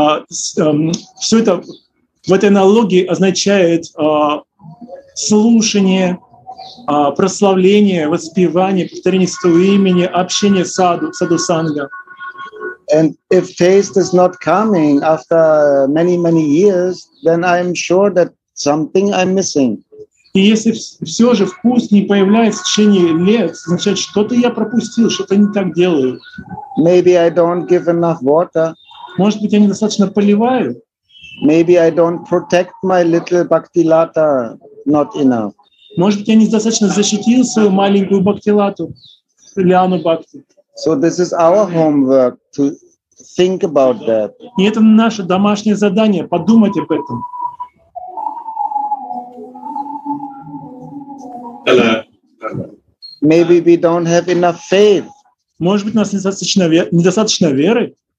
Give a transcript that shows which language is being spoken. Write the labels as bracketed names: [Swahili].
[Russian] Все это в этой аналогии означает слушание, прославление, воспевание, повторение святого имени, общение саду санга. [English] And if taste is not coming after many, many years, then I'm sure that something I'm missing. [Russian] И если все же вкус не появляется в течение лет, значит, что-то я пропустил, что-то не так делаю. [English] Maybe I don't give enough water. [Russian] Может быть, я недостаточно поливаю. [English] Maybe I don't protect my little bhakti-lata not enough. [Russian] Может быть, я недостаточно защитил свою маленькую бхакти-лату, лиану бхакти. [English] So this is our homework to think about that. [Russian] И это наше домашнее задание — подумать об этом. [English] Hello. Maybe we don't have enough faith. [Russian] Может быть, у нас недостаточно веры?